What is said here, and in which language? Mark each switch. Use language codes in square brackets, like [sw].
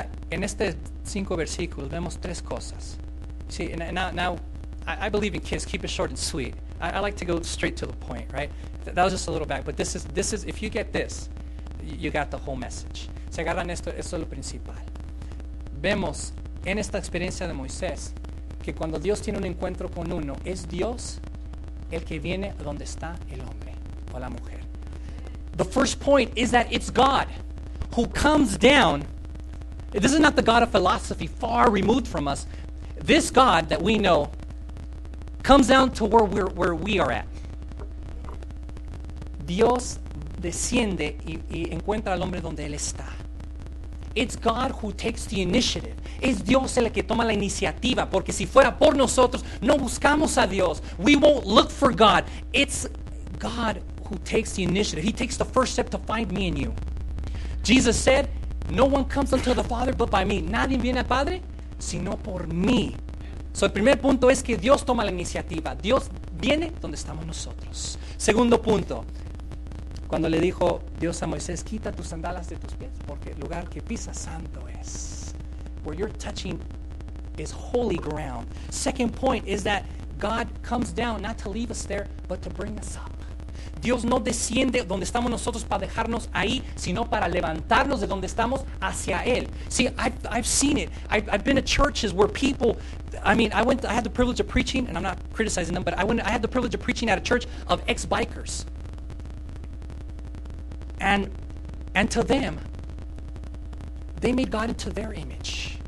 [es] En este cinco versículos vemos tres cosas. [en] See, now I believe in kids. Keep it short and sweet. I like to go straight to the point, right? That was just a little back, but this is if you get this, you got the whole message. [es] Si agarran esto, eso es lo principal. Vemos en esta experiencia de Moisés que cuando Dios tiene un encuentro con uno, es Dios el que viene donde está el hombre o la mujer. [en] The first point is that it's God who comes down. This is not the God of philosophy far removed from us. This God that we know comes down to where we are at. [es] Dios desciende y encuentra al hombre donde él está. [en] It's God who takes the initiative. [es] Es Dios el que toma la iniciativa, porque si fuera por nosotros, no buscamos a Dios. [en] We won't look for God. It's God who takes the initiative. He takes the first step to find me and you. Jesus said, no one comes unto the Father but by me. [es] Nadie viene al Padre sino por mí. So el primer punto es que Dios toma la iniciativa. Dios viene donde estamos nosotros. Segundo punto, cuando le dijo Dios a Moisés, quita tus sandalias de tus pies, porque el lugar que pisas santo es. [en] Where you're touching is holy ground. Second point is that God comes down not to leave us there, but to bring us up. [es] Dios no desciende donde estamos nosotros para dejarnos ahí, sino para levantarnos de donde estamos hacia Él. [en] See, I've seen it. I've been to churches where people, I had the privilege of preaching, and I'm not criticizing them, but I had the privilege of preaching at a church of ex-bikers. And to them, they made God into their image.